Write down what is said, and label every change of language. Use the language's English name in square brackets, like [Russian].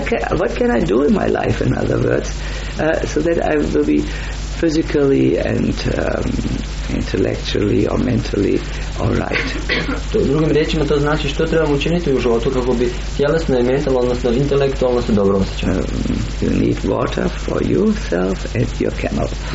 [English] What can I do in my life, in other words, so that I will be physically and intellectually or mentally all right. [Croatian] To drugim riječima to znači što trebamo učiniti u životu kako bi tjelesno i mentalno, odnosno intelektualno se dobro osjećali. [English] You need water for yourself and your camel.